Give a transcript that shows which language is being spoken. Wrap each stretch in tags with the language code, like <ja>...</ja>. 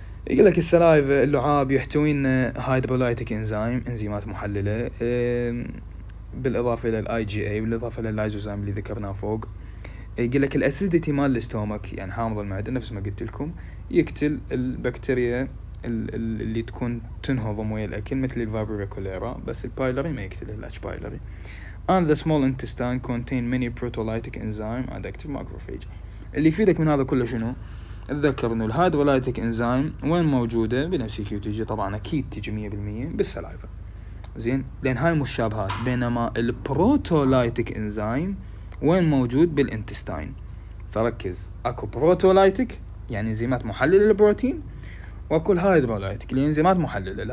<ar>يقول لك السلايفة اللعاب يحتوين هايدرولايتك إنزيم، إنزيمات محللة بالإضافة إلى الاي جي اي بالإضافة إلى اللايزوزيم اللي ذكرناه فوق. يقول لك الاسيديتي مال الاستومك يعني حامض المعدة نفس ما قلت لكم يقتل البكتيريا اللي تكون تنهضم ويا الاكل مثل الفايبريا كوليرا، بس البايلوري ما يقتل الاتش بايلوري.</ar> <en>And the small intestine contain many proteolytic enzyme and active macrophage.</en> <ar>اللي يفيدك من هذا كله شنو؟ اتذكر انه الهايدرولايتك انزيم وين موجوده؟ بنفس الكيو تي جي طبعا، اكيد تجي 100% بالسلايفا زين، لان هاي مشابهات. بينما البروتولايتك انزيم وين موجود؟ بالانتستاين. فركز، اكو بروتولايتك يعني انزيمات محلله للبروتين، واكو الهايدرولايتك اللي انزيمات محلله.</ar>